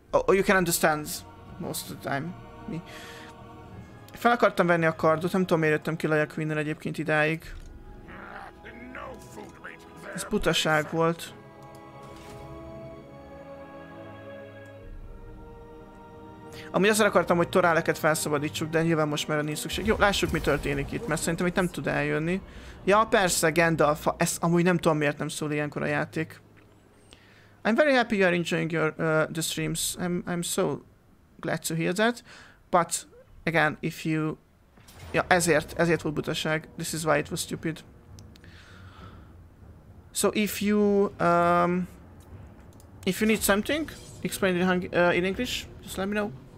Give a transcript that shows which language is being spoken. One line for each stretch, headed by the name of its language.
English: you can understand most of the time.
Hungarian: Mi? Fel akartam venni a kardot, nem tudom miért jöttem ki Laia Queen-nel egyébként idáig. Ez butaság volt. Amúgy azért akartam, hogy Toráleket felszabadítsuk, de nyilván most már nincs szükség. Jó, lássuk, mi történik itt, mert szerintem itt nem tud eljönni. Ja, persze, Gandalf, ez amúgy nem tudom, miért nem szól ilyenkor a játék.
English: I'm very happy you are enjoying your, the streams. I'm so glad to hear that. But, again, if you...
Hungarian: Ja, ezért volt butaság.
English: This is why it was stupid. So, if you need something, explain it in English, just let me know.